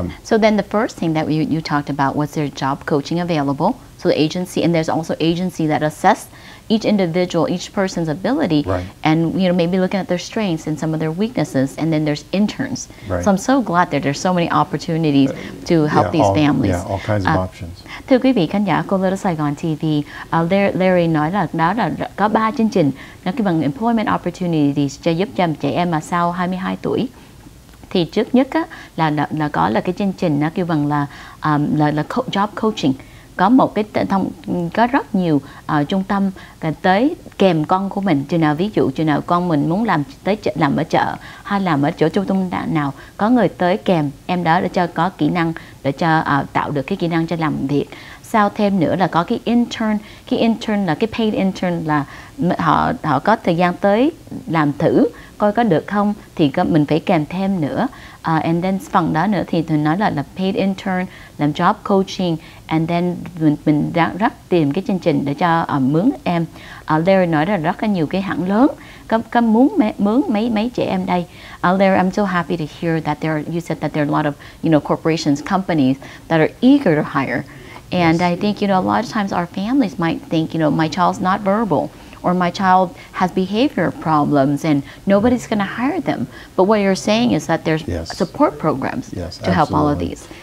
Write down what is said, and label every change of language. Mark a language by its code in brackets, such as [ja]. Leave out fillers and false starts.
[en] So then the first thing that you talked about was there job coaching available, so the agency, and there's also agency that assess each individual, each person's ability, right. and you know maybe looking at their strengths and some of their weaknesses, and then there's interns. Right. So I'm so glad that there's so many opportunities to help these families. Yeah, all kinds of options. [vi] Thưa quý vị khán giả của Little Saigon TV, Larry nói là đó là có 3 chương trình, nó kêu bằng Employment Opportunities cho giúp cho trẻ em mà sau 22 tuổi. Thì trước nhất á, là có là cái chương trình nó kêu bằng là Job Coaching. Có một cái thông có rất nhiều trung tâm tới kèm con của mình, chừng nào ví dụ chừng nào con mình muốn làm ở chợ hay làm ở chỗ trung tâm nào có người tới kèm em đó để cho có kỹ năng để cho tạo được cái kỹ năng cho làm việc. Sau thêm nữa là có cái intern là cái paid intern là họ có thời gian tới làm thử coi có được không thì mình phải kèm thêm nữa. [en] And then [vi] phần đó nữa thì tôi nói là paid intern, làm job coaching, and then mình đang rất tìm cái chương trình để cho mướn em. Larry nói là rất là nhiều cái hãng lớn có muốn mướn mấy trẻ em đây. [en] Larry, I'm so happy to hear that you said that there are a lot of, you know, corporations, companies that are eager to hire. And yes. I think, you know, a lot of times our families might think, you know, my child's not verbal or my child has behavior problems and nobody's going to hire them. But what you're saying is that there's support programs to absolutely help all of these.